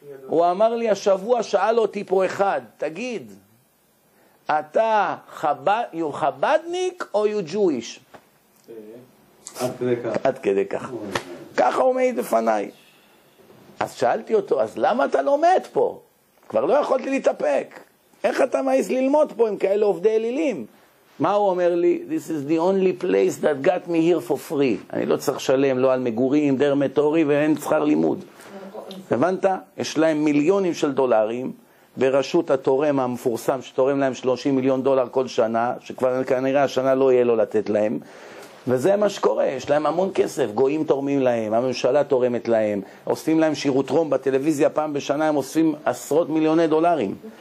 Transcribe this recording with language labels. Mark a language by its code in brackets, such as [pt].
[he] הוא אמר לי, השבוע שאל אותי פה אחד, תגיד, אתה חבדניק או [en] יו ג'ויש? [he] עד כדי כך. ככה הוא מעיד לפניי. אז שאלתי אותו, אז למה אתה לומד פה? כבר לא יכולתי להתאפק. איך אתה מעיז ללמוד פה עם כאלה עובדי אלילים? מה הוא אומר לי? [en] This is the only place that got me here for free. [he] אני לא צריך שלם, לא על מגורים, דרמטורי, ואין שכר לימוד. הבנת? יש להם מיליונים של דולרים, ברשות התורם המפורסם, שתורם להם 30 מיליון דולר כל שנה, שכבר כנראה השנה לא יהיה לו לתת להם. וזה מה שקורה, יש להם המון כסף, גויים תורמים להם, הממשלה תורמת להם, עושים להם שירות רום בטלוויזיה, פעם בשנה הם עושים עשרות מיליוני דולרים.